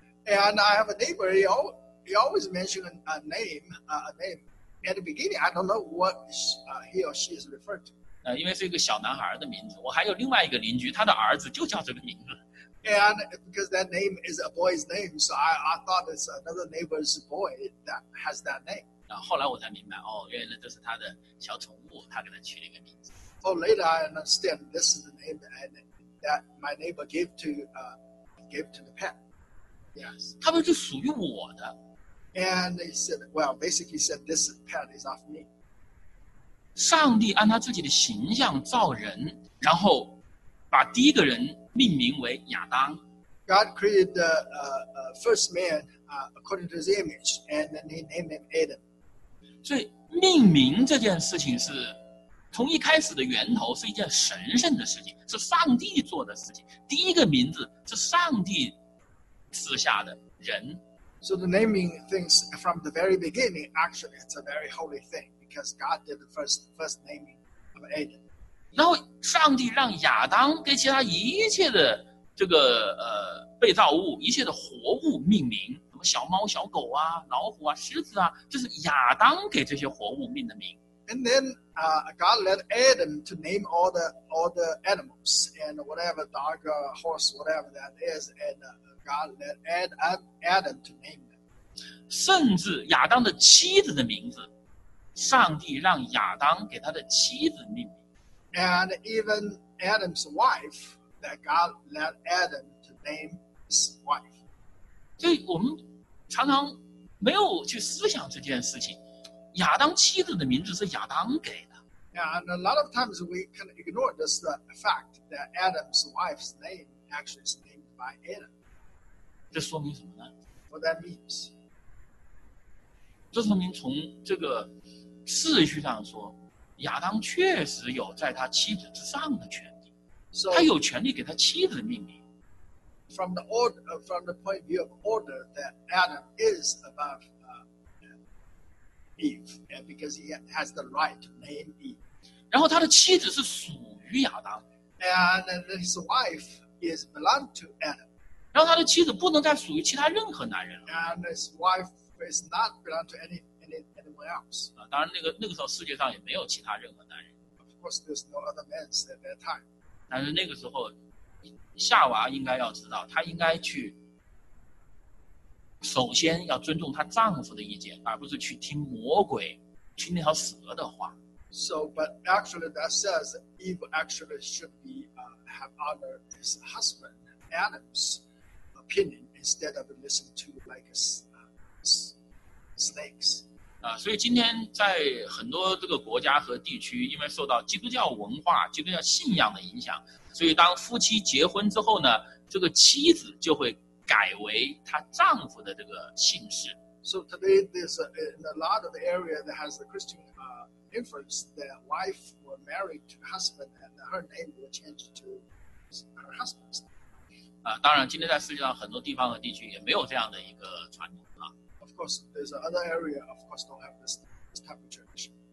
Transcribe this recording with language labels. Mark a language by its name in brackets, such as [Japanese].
[English] and I have a neighbor he always mentioned a name at the beginning I don't know what he or she is referred to [Chinese] 因为是一个小男孩的名字我还有另外一个邻居他的儿子就叫这个名字 [English] And because that name is a boy's name, so I thought it's another neighbor's boy that has that name. [Chinese] 后来我才明白，哦，原来这是他的小宠物，他给他取了一个名字。 [English] Oh, later I understand this is the name that my neighbor gave to the pet. Yes. [Chinese] 他们就属于我的。 [English] And they said, well, basically said this pet is of me. [Chinese] 上帝按他自己的形象造人，然后把第一个人。命名为亚当。 [English] God created the first man according to his image, and then he named him Adam. [Chinese] 所以命名这件事情是从一开始的源头是一件神圣的事情，是上帝做的事情。第一个名字是上帝赐下的人。 [English] So the naming things from the very beginning actually it's a very holy thing because God did the first naming of Adam. [Chinese] 然后上帝让亚当给其他一切的这个被造物一切的活物命名什么小猫小狗啊老虎啊狮子啊这是亚当给这些活物命的名。 [English] And then, God led Adam to name all the animals and whatever dog, horse, whatever that is, and God led Adam to name them. [Chinese] 甚至亚当的妻子的名字上帝让亚当给他的妻子命名。 [English] And even Adam's wife, that God led Adam to name his wife. [Chinese] 所以我们常常没有去思想这件事情。亚当妻子的名字是亚当给的。 [English] And a lot of times we can ignore this fact that Adam's wife's name actually is named by Adam. [Chinese] 这说明什么呢？ [English] What that means? [Chinese] 这说明从这个次序上说亚当确实有在他妻子之上的权利 [English] so, [Chinese] 他有权利给他妻子命名 [English] from the, order, from the point of view of order that Adam is above Eve because he has the right to name Eve [Chinese] 然后他的妻子是属于亚当 [English] And his wife is belong to Adam. [Chinese] 然后他的妻子不能再属于其他任何男人了。 [English] And his wife is not belong to anyone else. [Chinese] 啊，当然那个时候世界上也没有其他任何男人。 [English] Of course, there's no other men at that time. [Chinese] 但是那个时候，夏娃应该要知道，她应该去。首先要尊重她丈夫的意见，而不是去听魔鬼，听那条蛇的话。 [English] So, but actually, that says Eve actually should be have honor his husband Adam's opinion instead of listen to like snakes. [Chinese] 啊，所以今天在很多这个国家和地区，因为受到基督教文化、基督教信仰的影响，所以当夫妻结婚之后呢，这个妻子就会。改为她丈夫的这个姓氏。 [English] So today, there's a lot of area that has the Christian influence. The wife will marry to husband, and her name will change to her husband's. [Chinese] 啊，当然，今天在世界上很多地方和地区也没有这样的一个传统啊。 [English] Of course, there's other area. Of course, don't have this type of tradition.